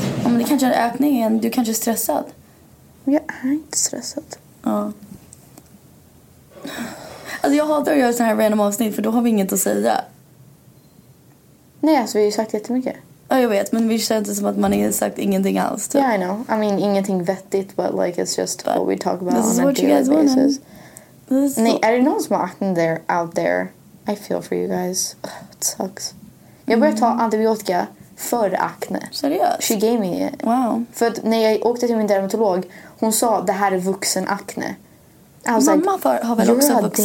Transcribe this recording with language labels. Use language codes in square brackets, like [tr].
[sv] Ja, men det kanske är ökningen. Du kanske är stressad. Jag är inte stressad. Ja. Alltså jag hatar att göra sån här random avsnitt, för då har vi inget att säga. Nej, alltså vi har ju sagt jättemycket. Ja, jag vet. Men vi känner inte som att man har sagt ingenting alls. Ja, [en] yeah, I know. I mean, [sv] ingenting vettigt, [en] but like it's just but what we talk about on a daily basis. [sv] Nej, är det någon som har acne [en] there, out there? I feel for you guys. Ugh, it sucks. [sv] Jag började ta antibiotika för acne. Seriöst? [en] She gave me it. Wow. [sv] För att när jag åkte till min dermatolog, hon sa, det här är vuxen acne. Mamma like, har väl också vuxen?